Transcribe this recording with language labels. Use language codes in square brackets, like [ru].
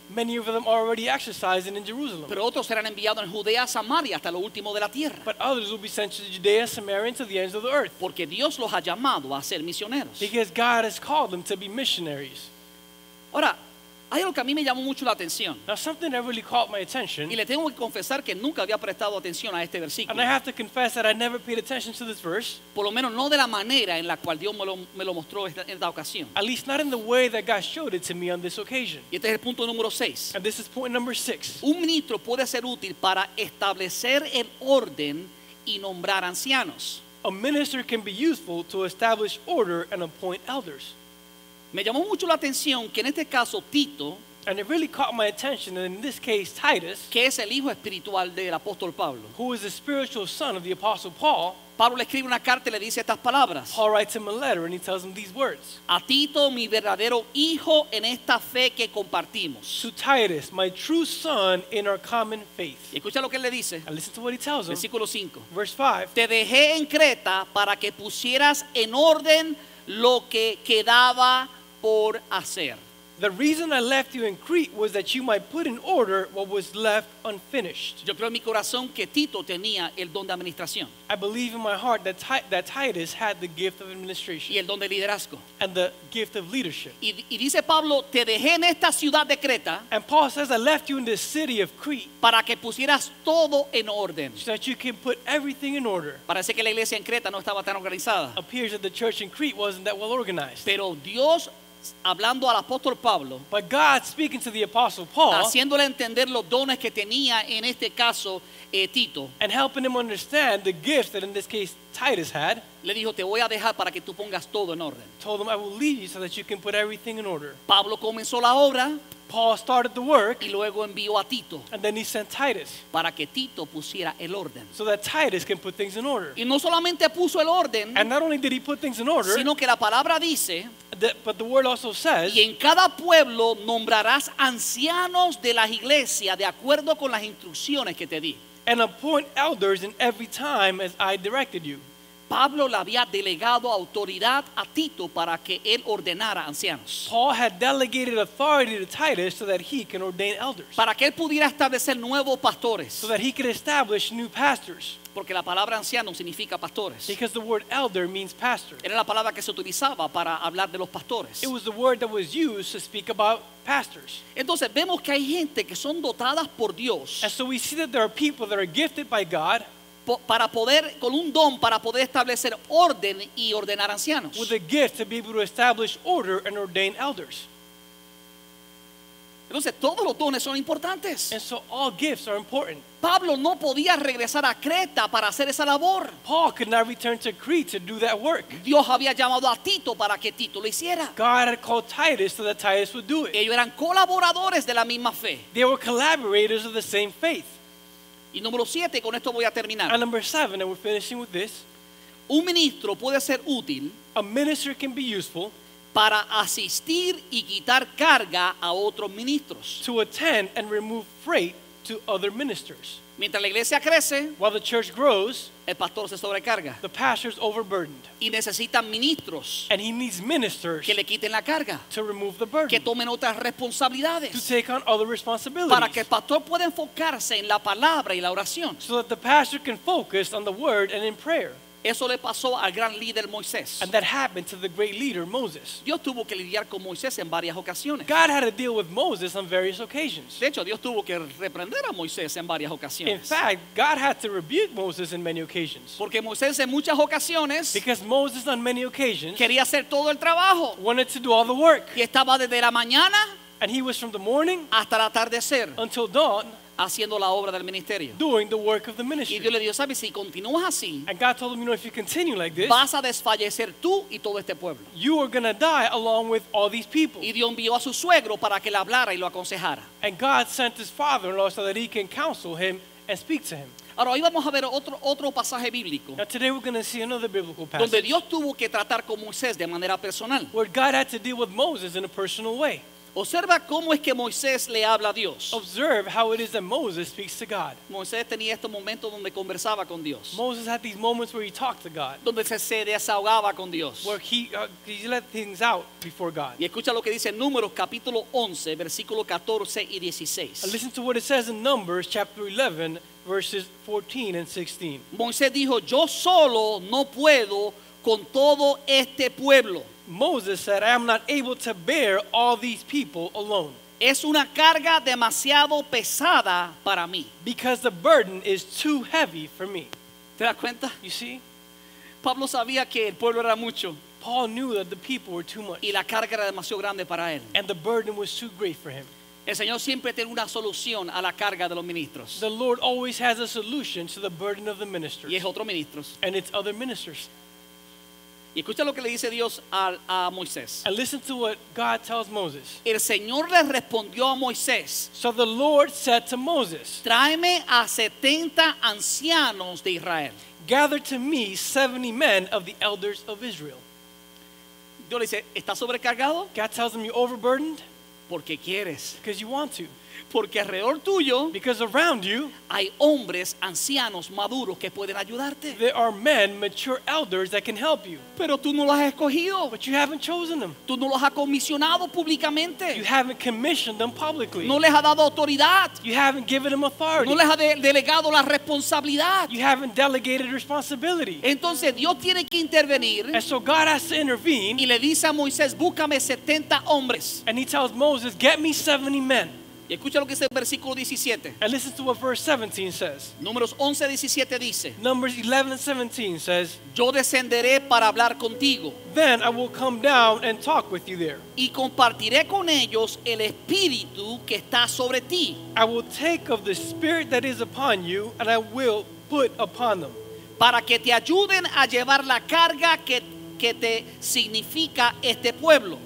[en] Many of them are already exercising in Jerusalem. [es] Pero otros serán enviados en Judea, Samaria hasta lo último de la tierra. [en] But others will be sent to Judea, Samaria and to the ends of the earth. [es] Porque Dios los ha llamado a ser misioneros. [en] Because God has called them to be missionaries. [es] Ahora, hay algo que a mí me llamó mucho la atención. [en] Now something that really caught my attention. [es] Y le tengo que confesar que nunca había prestado atención a este versículo. [en] And I have to confess that I never paid attention to this verse. [es] Por lo menos no de la manera en la cual Dios me lo mostró en esta ocasión. [en] At least not in the way that God showed it to me on this occasion. [es] Y este es el punto número 6. [en] And this is point number 6. [es] Un ministro puede ser útil para establecer el orden y nombrar ancianos. [en] A minister can be useful to establish order and appoint elders. [es] Me llamó mucho la atención que en este caso Tito, [en] and it really caught my attention that in this case Titus, [es] que es el hijo espiritual del apóstol Pablo, [en] who is the spiritual son of the apostle Paul, [es] Pablo le escribe una carta y le dice estas palabras. [en] Paul writes him a letter and he tells him these words. [es] A Tito, mi verdadero hijo en esta fe que compartimos. [en] To Titus, my true son in our common faith. [es] Y escucha lo que él le dice. [en] And listen to what he tells him. [es] Versículo 5. [en] Verse 5. [es] Te dejé en Creta para que pusieras en orden lo que quedaba por hacer. [en] The reason I left you in Crete was that you might put in order what was left unfinished. [es] Yo creo en mi corazón que Tito tenía el don de administración. [en] I believe in my heart that Titus had the gift of administration. [es] Y el don de liderazgo. [en] And the gift of leadership. [es] Y dice Pablo, te dejé en esta ciudad de Creta. [en] And Paul says, I left you in this city of Crete. [es] Para que pusieras todo en orden. [en] So that you can put everything in order. [es] Parece que la iglesia en Creta no estaba tan organizada. [en] Appears that the church in Crete wasn't that well organized. [es] Pero Dios, hablando al apóstol Pablo, [en] but God speaking to the apostle Paul, [es] haciéndole entender los dones que tenía en este caso Tito, [en] and helping him understand the gift that in this case Titus had, [es] le dijo, te voy a dejar para que tú pongas todo en orden. [en] Told him, I will leave you so that you can put everything in order. [es] Pablo comenzó la obra. [en] Paul started the work. [es] Y luego envió a Tito. [en] And then he sent Titus. [es] Para que Tito pusiera el orden. [en] So that Titus can put things in order. [es] Y no solamente puso el orden. [en] And not only did he put things in order. [es] Sino que la palabra dice. [en] But the word also says. [es] Y en cada pueblo nombrarás ancianos de las iglesias de acuerdo con las instrucciones que te di. [en] And appoint elders in every time as I directed you. [es] Pablo le había delegado autoridad a Tito para que él ordenara ancianos. [en] Paul had delegated authority to Titus so that he can ordain elders. [es] Para que él pudiera establecer nuevos pastores. [en] So that he could establish new pastors. [es] Porque la palabra anciano significa pastores. [en] Because the word elder means pastor. [es] Era la palabra que se utilizaba para hablar de los pastores. [en] It was the word that was used to speak about pastors. [es] Entonces vemos que hay gente que son dotadas por Dios. [en] And so we see that there are people that are gifted by God. [es] para poder, con un don para poder establecer orden y ordenar ancianos. [en] With a gift to be able to establish order and ordain elders. [es] Entonces todos los dones son importantes. [en] And so all gifts are important. [es] Pablo no podía regresar a Creta para hacer esa labor. [en] Paul could not return to Crete to do that work. [es] Dios había llamado a Tito para que Tito lo hiciera. [en] God had called Titus so that Titus would do it. [es] Ellos eran colaboradores de la misma fe. [en] They were collaborators of the same faith. [es] Y número 7, con esto voy a terminar. [en] And number 7, and we're finishing with this. [es] Un ministro puede ser útil. [en] A minister can be useful. [es] Para asistir y quitar carga a otros ministros. [en] To attend and remove freight to other ministers. [es] Mientras la iglesia crece, [en] while the church grows, [es] el pastor se sobrecarga. [en] The pastor is overburdened. [es] Y necesita ministros. [en] And he needs ministers [es] que le quiten la carga. [en] To remove the burden. [es] Que tomen otras responsabilidades. [en] To take on other responsibilities. [es] Para que el pastor pueda enfocarse en la palabra y la oración. [en] So that the pastor can focus on the word and in prayer. [es] Eso le pasó al gran líder Moisés. [en] And that happened to the great leader Moses. [es] Dios tuvo que lidiar con Moisés en varias ocasiones. [en] God had to deal with Moses on various occasions. [es] De hecho, Dios tuvo que reprender a Moisés en varias ocasiones. [en] In fact, God had to rebuke Moses in many occasions. [es] Porque Moisés en muchas ocasiones, [en] because Moses on many occasions, [es] quería hacer todo el trabajo, [en] wanted to do all the work. [es] Y estaba desde la mañana, [en] and he was from the morning, [es] hasta el atardecer, [en] until dawn, [es] haciendo la obra del ministerio. [en] Doing the work of the ministry. [es] Y Dios le dijo, ¿sabes? Si continúas así, [en] and God told him, you know, if you continue like this, [es] vas a desfallecer tú y todo este pueblo. [en] You are going to die along with all these people. [es] Y Dios envió a su suegro para que le hablara y lo aconsejara. [en] And God sent his father-in-law so that he can counsel him and speak to him. [es] Ahora hoy vamos a ver otro pasaje bíblico. [en] Now today we're going to see another biblical passage. [es] Donde Dios tuvo que tratar con Moisés de manera personal. [en] Where God had to deal with Moses in a personal way. [es] Observa cómo es que Moisés le habla a Dios. [en] Observe how it is that Moses speaks to God. [es] Moisés tenía estos momentos donde conversaba con Dios. [en] Moses had these moments where he talked to God. [es] Donde se desahogaba con Dios. [en] Where he let things out before God. [es] Y escucha lo que dice en Números capítulo 11, versículo 14 y 16. [en] And listen to what it says in Numbers chapter 11, verses 14 and 16. [es] Moisés dijo, yo solo no puedo con todo este pueblo. [en] Moses said, I am not able to bear all these people alone. [es] Es una carga demasiado pesada para mí. [en] Because the burden is too heavy for me. [es] ¿Te das cuenta? [en] You see? [es] Pablo sabía que el pueblo era mucho. [en] Paul knew that the people were too much. [es] Y la carga era demasiado grande para él. [en] And the burden was too great for him. [es] El Señor siempre tiene una solución a la carga de los ministros. [en] The Lord always has a solution to the burden of the ministers. [es] Y es otros ministros. [en] And it's other ministers. [es] Y escucha lo que le dice Dios a Moisés. [en] And listen to what God tells Moses. [es] El Señor le respondió a Moisés. [en] So the Lord said to Moses. [es] Tráeme a 70 ancianos de Israel. [en] Gather to me 70 men of the elders of Israel. [es] Dios le dice, ¿estás sobrecargado? [en] God tells him, you're overburdened. [es] Porque quieres. [en] Because you want to. [es] Porque alrededor tuyo, [en] because around you, [es] hay hombres ancianos maduros que pueden ayudarte. [en] There are men, mature elders that can help you. [es] Pero tú no los has escogido. [en] But you haven't chosen them. [es] Tú no los has comisionado públicamente. [en] You haven't commissioned them publicly. [es] No les has dado autoridad. [en] You haven't given them authority. [es] No les has delegado la responsabilidad. [en] You haven't delegated responsibility. [es] Entonces Dios tiene que intervenir. [en] And so God has to intervene. [es] Y le dice a Moisés, búscame 70 hombres. [en] And he tells Moses, get me 70 men. [es] Y escucha lo que dice el versículo 17. [en] And listen to what verse 17 says. [es] Números 11, 17 dice. [en] Numbers 11, 17 says. [es] Yo descenderé para hablar contigo. [en] Then I will come down and talk with you there. [es] Y compartiré con ellos el espíritu que está sobre ti. [en] I will take of the spirit that is upon you and I will put upon them. [es] Para que te ayuden a llevar la carga que te significa este pueblo.